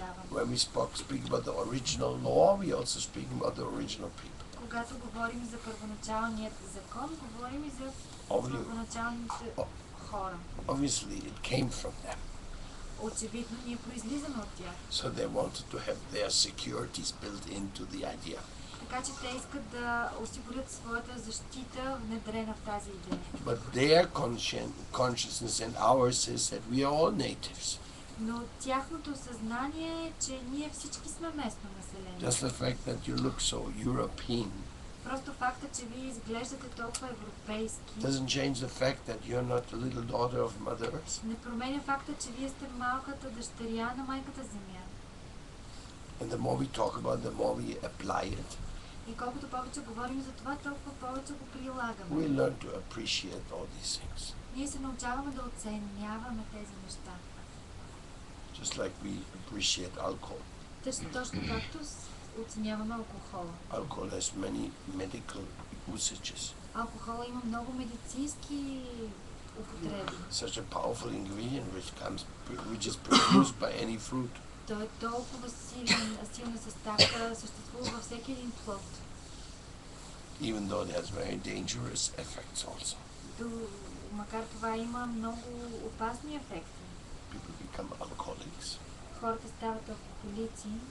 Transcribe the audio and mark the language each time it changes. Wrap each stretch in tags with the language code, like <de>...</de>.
<en>When we speak about the original law, we also speak about the original people.</en> <bg>Когато говорим за първоначалният закон, говорим и за първоначалните хора.</bg> <en>Obviously, it came from them.</en> <bg>Очевидно, ние произлизаме от тях.</bg> <en>So they wanted to have their securities built into the idea.</en> <bg>Така че те искат да осигурят своята защита внедрена в тази идея.</bg> <en>But their consciousness and ours is that we are all natives.</en> <bg>Но тяхното съзнание е, че ние всички сме местно население.</bg> <en>Just the fact that you look so European.</en> <bg>Просто факта, че вие изглеждате толкова европейски.</bg> <en>Doesn't change the fact that you're not the little daughter of Mother Earth.</en> <bg>Не променя факта, че вие сте малката дъщеря на майката Земя.</bg> <en>And the more we talk about, the more we apply it.</en> <bg>И колкото повече говорим за това, толкова повече го прилагаме.</bg> <en>We learn to appreciate all these things.</en> <bg>Ние се научаваме да оценяваме тези неща.</bg> <en>Just like we appreciate alcohol.</en> <bg>Точно както оценяваме алкохола.</bg> <en>Alcohol has many medical usages.</en> <bg>Алкохола има много медицински употреби.</bg> <en>Such a powerful ingredient which is produced by any fruit.</en> <bg>Той е толкова силна съставка, съществува във всеки един плод.</bg> <en>Even though it has very dangerous effects also.</en> <bg>Макар това има много опасни ефекти.</bg> <en>People become alcoholics.</en> <bg>Хората стават алкохолици.</bg>